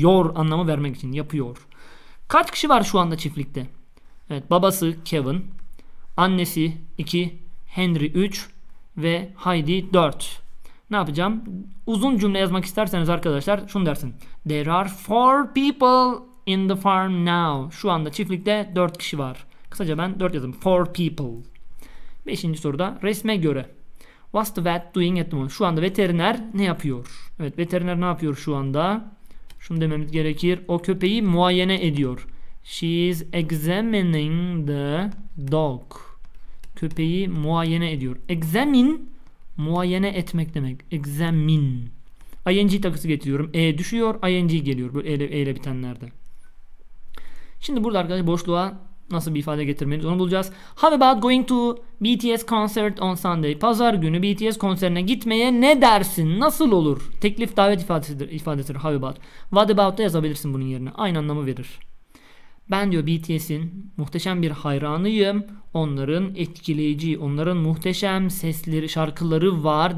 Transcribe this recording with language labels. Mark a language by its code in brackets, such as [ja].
[tr] Your anlamı vermek için. Yapıyor. Kaç kişi var şu anda çiftlikte? Evet. Babası Kevin. Annesi 2. Henry 3. Ve Heidi 4. Ne yapacağım? Uzun cümle yazmak isterseniz arkadaşlar şunu dersin. [en] There are 4 people in the farm now. [tr] Şu anda çiftlikte 4 kişi var. Kısaca ben 4 yazdım. [en] 4 people. [tr] 5. soruda resme göre. [en] What's the vet doing at the moment? [tr] Şu anda veteriner ne yapıyor? Evet, veteriner ne yapıyor şu anda? Şunu dememiz gerekir. O köpeği muayene ediyor. [en] She is examining the dog. [tr] Köpeği muayene ediyor. Examine, muayene etmek demek. Examine. ING takısı getiriyorum. E düşüyor, ING geliyor. Böyle E ile bitenlerde. Şimdi burada arkadaşlar boşluğa nasıl bir ifade getirmeliyiz onu bulacağız. [en] How about going to BTS concert on Sunday? [tr] Pazar günü BTS konserine gitmeye ne dersin? Nasıl olur? Teklif davet ifadesidir. [en] How about? [tr] What about da yazabilirsin bunun yerine. Aynı anlamı verir. Ben diyor BTS'in muhteşem bir hayranıyım. Onların etkileyici, onların muhteşem sesleri, şarkıları var.